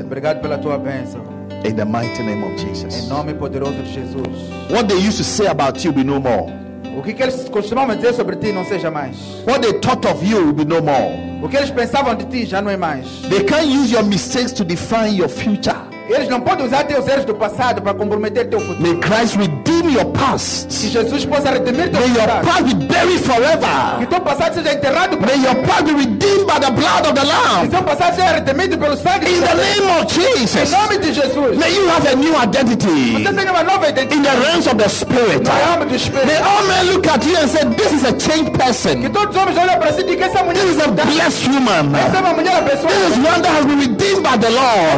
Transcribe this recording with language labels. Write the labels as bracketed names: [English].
[Portuguese] Obrigado pela tua bênção. [English] In the mighty name of Jesus. [Portuguese] Em nome poderoso de Jesus. [English] What they used to say about you be no more. [Portuguese] O que eles costumavam dizer sobre ti não seja mais. [English] What they thought of you will be no more. [Portuguese] O que eles pensavam de ti já não é mais. [English] They can't use your mistakes to define your future. [Portuguese] Eles não podem usar teus erros do passado para comprometer teu futuro. [English] May Christ redeem your past. [Portuguese] Que Jesus possa redimir teu [English] May [Portuguese] passado. [English] May your past be buried forever. [Portuguese] Que teu passado seja enterrado. [English] May your past be redeemed by the blood of the Lamb. [Portuguese] Que teu passado seja redimido pelo sangue de Jesus. [English] In the name of Jesus. [Portuguese] Em nome de Jesus. [English] May you have a new identity. [Portuguese] Você tenha uma nova identidade. [English] In the realms of the Spirit. [Portuguese] No ramo do Espírito. [English] May all men look at you and say, this is a changed person. [Portuguese] Que todos os homens olhem para si e digam, essa mulher. [English] This is a blessed woman. [Portuguese] Essa é uma mulher abençoada. [English] This is one that has been redeemed by the Lord.